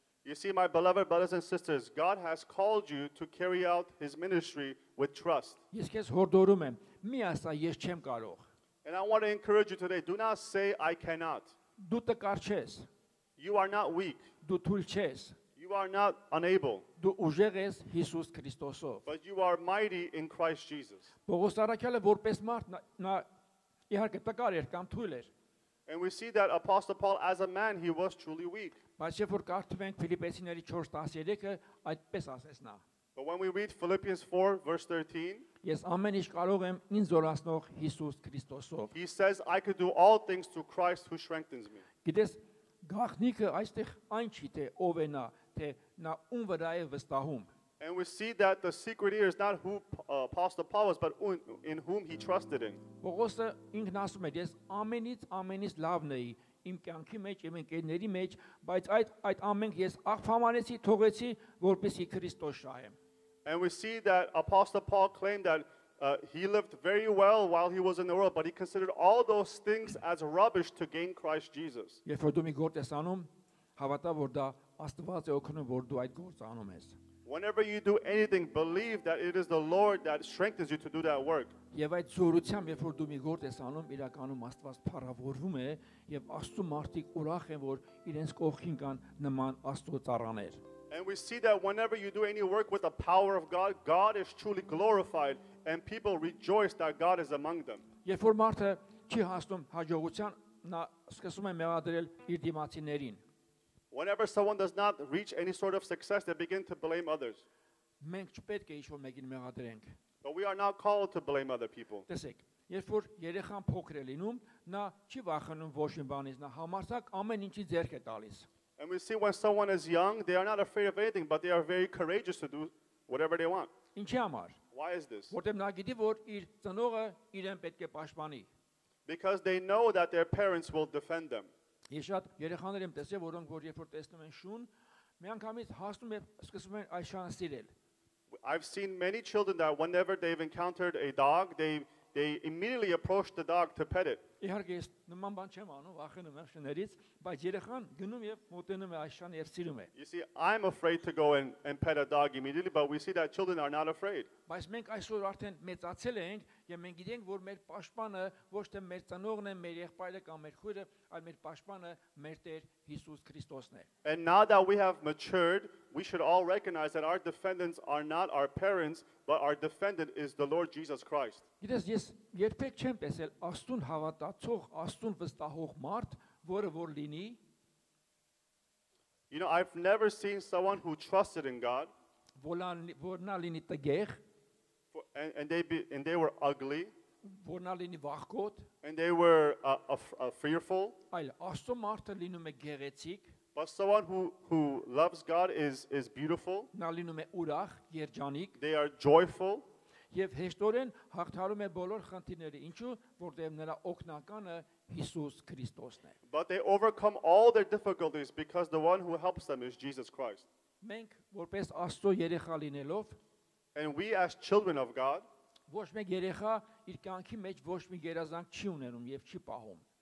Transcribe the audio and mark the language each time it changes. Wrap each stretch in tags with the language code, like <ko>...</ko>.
<en>You see my beloved brothers and sisters, God has called you to carry out his ministry with trust.</en> <hy>Ես քեզ հորդորում եմ, մի ասա ես չեմ կարող։</hy> <en>And I want to encourage you today, do not say I cannot.</en> <hy>Դու տկար չես։</hy> <en>You are not weak.</en> <hy>Դու թույլ չես։</hy> <en>You are not unable.</en> <hy>Դու ուժեղ ես Հիսուս Քրիստոսով.</hy> <en>But you are mighty in Christ Jesus.</en> <hy>Պողոս առաքյալը որպես մարդ նա իհարկե տկար էր կամ թույլ էր.</hy> <en>And we see that Apostle Paul as a man he was truly weak.</en> <hy>Բայց երբ որ կարդում Ֆիլիպեցիների 4:13-ը այդպես ասես նա.</hy> <en>But when we read Philippians 4 verse 13,</en> <hy>ես ամեն ինչ կարող եմ ինձ զորացնող Հիսուս Քրիստոսով.</hy> <en>He says I could do all things through Christ who strengthens me.</en> <hy>Գիտես գաղտնիքը այստեղ այն չի թե ով է նա, թե նա ում վրա է վստահում.</hy> <en>And we see that the secret here is not who Apostle Paul was, but in whom he trusted in.</en> <hy>Պողոսը ինքն ասում է, ես ամենից լավն էի իմ կյանքի մեջ, իմ ընկերների մեջ, բայց այդ ամենք ես աղփամանեցի, թողեցի, որպեսզի Քրիստոս շահեմ.</hy> <en>And we see that Apostle Paul claimed that he lived very well while he was in the world, but he considered all those things as rubbish to gain Christ Jesus.</en> <hy>Երբ որ դու մի գործ ես անում, հավատա, որ դա Աստված է օգնում, որ դու այդ գործը անում ես.</hy> <en>Whenever you do anything, believe that it is the Lord that strengthens you to do that work.</en> <hy>Եվ այդ զորությամբ, երբ որ դու մի գործ ես անում, իրականում Աստված փառավորվում է, եւ Աստծո մարդիկ ուրախ են, որ իրենց կողքին կան նման Աստծո ծառաներ.</hy> <en>And we see that whenever you do any work with the power of God, God is truly glorified and people rejoice that God is among them.</en> <hy>Երբ որ մարդը չի հասնում հաջողության, նա սկսում է մեղադրել իր դիմացիներին.</hy> <en>Whenever someone does not reach any sort of success, they begin to blame others.</en> <hy>Մենք չպետք է ինչ-որ մեկին մեղադրենք.</hy> <en>But we are not called to blame other people.</en> <hy>Տեսեք, երբ որ երեխան փոքր է լինում, նա չի վախենում ոչ մի բանից, նա համարձակ ամեն ինչի ձեռք է տալիս.</hy> <en>And we see when someone is young, they are not afraid of anything, but they are very courageous to do whatever they want.</en> <hy>Ինչի համար?</hy> <en>Why is this?</en> <hy>Որտեղ նա գիտի, որ իր ծնողը իրեն պետք է պաշտպանի.</hy> <en>Because they know that their parents will defend them.</en> <hy>Ես շատ երեխաներ եմ տեսել, որոնք որ երբ որ տեսնում են շուն, միանգամից հասնում են սկսում են այս շան սիրել.</hy> <en>I've seen many children that whenever they've encountered a dog, they immediately approach the dog to pet it.</en> <hy>իհարկե ես նման բան չեմ անում վախենում եմ շներից բայց երեխան գնում եւ մոտենում է այսան եւ սիրում է</hy> <en>You see I'm afraid to go and pet a dog immediately but we see that children are not afraid</en> <hy>Բայց մենք այսօր արդեն մեծացել ենք եւ մենք գիտենք որ մեր պաշտպանը ոչ թե մեր ծնողն է մեր եղբայրը կամ մեր խույրը այլ մեր պաշտպանը մեր Տեր Հիսուս Քրիստոսն է</hy> <en>And now that we have matured we should all recognize that our defendants are not our parents but our defendant is the Lord Jesus Christ</en> <hy>Գիտես ես երբեք չեմ տեսել աստուն հավատացող աստուն վստահող մարդ որը որ լինի</hy> <en>You know I've never seen someone who trusted in God</en> <hy>որնա լինի տգեղ</hy> <en>and they were ugly</en> <hy>որնա լինի վախկոտ</hy> <en>and they were fearful</en> <hy>այլ աստուն մարդը լինում է գեղեցիկ</hy> <en>But someone who loves God is beautiful.</en> <hy>Նա լինում է ուրախ, երջանիկ.</hy> <en>They are joyful.</en> <hy>Եվ հեշտորեն հաղթարում է բոլոր խնդիրները, ինչու՞, որտեղ նրա օգնականը Հիսուս Քրիստոսն է.</hy> <en>But they overcome all their difficulties because the one who helps them is Jesus Christ.</en> <hy>Մենք որպես Աստծո երեխա լինելով</hy> <en>And we as children of God,</en> <hy>ոչ մի երեխա իր կյանքի մեջ ոչ մի գերազանց չի ունենում եւ չի պահում.</hy>